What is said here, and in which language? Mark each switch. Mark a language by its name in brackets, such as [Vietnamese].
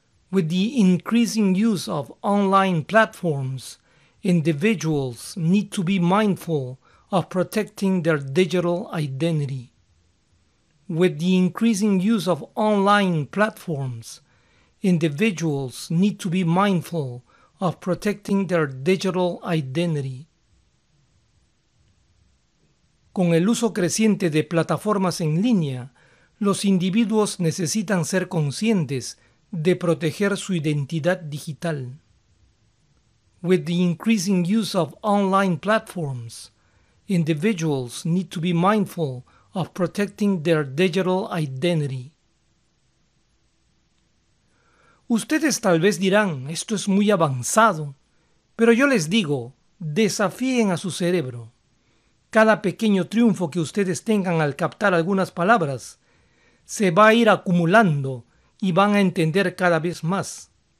[English] With the increasing use of online platforms, individuals need to be mindful of protecting their digital identity. With the increasing use of online platforms, individuals need to be mindful of protecting their digital identity. [Spanish] Con el uso creciente de plataformas en línea, los individuos necesitan ser conscientes de proteger su identidad digital. [English] With the increasing use of online platforms, individuals need to be mindful of protecting their digital identity. [Spanish] Ustedes tal vez dirán, esto es muy avanzado, pero yo les digo, desafíen a su cerebro. Cada pequeño triunfo que ustedes tengan al captar algunas palabras se va a ir acumulando y van a entender cada vez más.